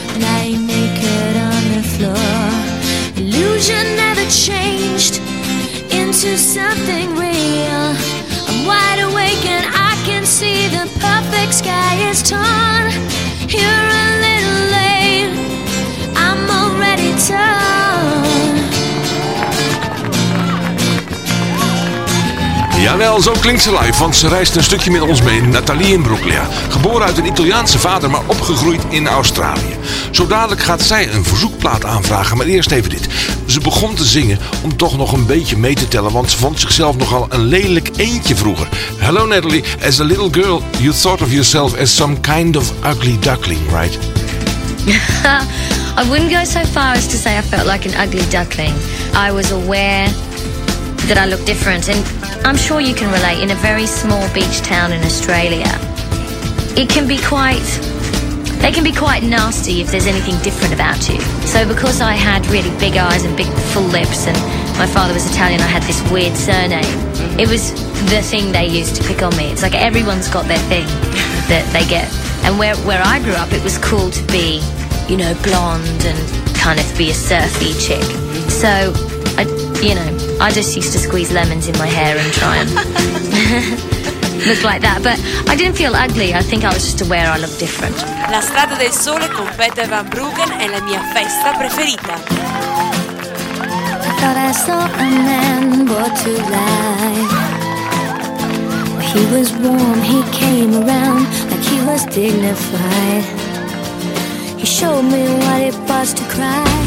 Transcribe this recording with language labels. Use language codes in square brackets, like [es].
[en] Lying naked on the floor. Illusion never changed into something real. I'm wide awake and I can see the perfect sky is torn. You're a little late, I'm already torn. [nl] Jawel, zo klinkt ze live, want ze reist een stukje met ons mee, Nathalie in Broeklia. Geboren uit een Italiaanse vader, maar opgegroeid in Australië. Zo dadelijk gaat zij een verzoekplaat aanvragen, maar eerst even dit. Ze begon te zingen om toch nog een beetje mee te tellen, want ze vond zichzelf nogal een lelijk eentje vroeger. [en] Hello Natalie, as a little girl, you thought of yourself as some kind of ugly duckling, right? I wouldn't go so far as to say I felt like an ugly duckling. I was aware that I looked different and I'm sure you can relate. In a very small beach town in Australia, they can be quite nasty if there's anything different about you. So because I had really big eyes and big full lips and my father was Italian, I had this weird surname. It was the thing they used to pick on me. It's like everyone's got their thing that they get. And where I grew up, it was cool to be, you know, blonde and kind of be a surfy chick. So I just used to squeeze lemons in my hair and try and look like that. But I didn't feel ugly. I think I was just aware I looked different. [it] La Strada del Sole con Peter Van Bruggen è la mia festa preferita. [en] I thought I saw a man born to lie. He was warm, he came around like he was dignified. He showed me what it was to cry.